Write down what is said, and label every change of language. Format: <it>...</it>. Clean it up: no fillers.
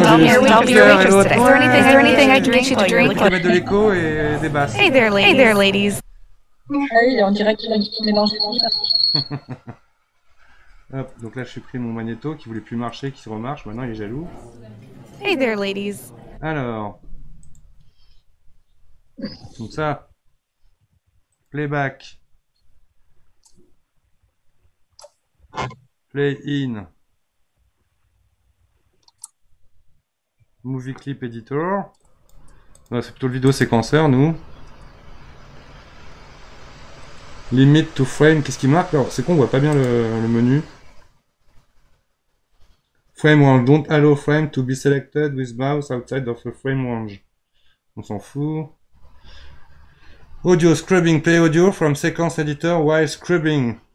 <en>I'm here with your waitress today. Is there anything I can get you to drink?</en> <fr>On va mettre de l'écho et des basses.</fr> <en>Hey there, ladies.</en> <fr>Ouais, on dirait qu'il a du tout mélangé dans ça. Hop, donc là, je suis pris mon magnéto qui voulait plus marcher, qui se remarche. Maintenant, il est jaloux.</fr> <en>Hey there, ladies.</en> <fr>Alors. Donc ça. Playback.</fr> <en>Play in. Movie clip editor.</en> <fr>Non, c'est plutôt le vidéo séquenceur, nous.</fr> <en>Limit to frame.</en> <fr>Qu'est-ce qui marque? Alors, c'est con, on voit pas bien le menu.</fr> <en>Frame range, don't allow frame to be selected with mouse outside of a frame range.</en> <fr>On s'en fout.</fr> <en>Audio scrubbing, play audio from sequence editor while scrubbing.</en>